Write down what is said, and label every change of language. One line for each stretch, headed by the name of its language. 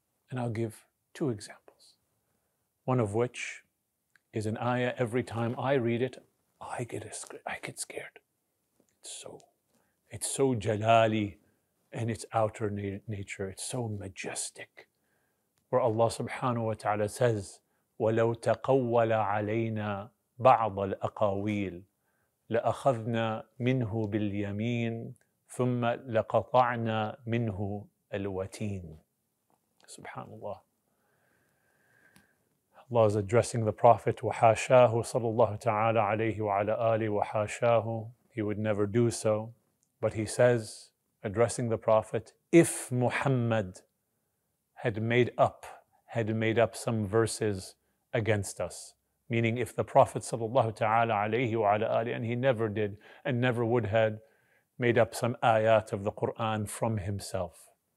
English: And I'll give two examples. One of which is an ayah, every time I read it, I get scared. It's so jalali in its outer nature. It's so majestic. Where Allah subhanahu wa ta'ala says,
Arabic: وَلَوْ تَقَوَّلَ عَلَيْنَا بعض الأقاويل لأخذنا منه باليمين ثم لقطعنا منه الوتين.
English: Subhanallah. Allah is addressing the Prophet,
Arabic: وحاشاه صلى الله تعالى عليه وعلى آله وحاشاه.
English: He would never do so, but he says, addressing the Prophet, if Muhammad had made up some verses against us. Meaning if the Prophet sallallahu ta'ala alayhi wa ala alihi, and he never did and never would have made up some ayat of the Qur'an from himself.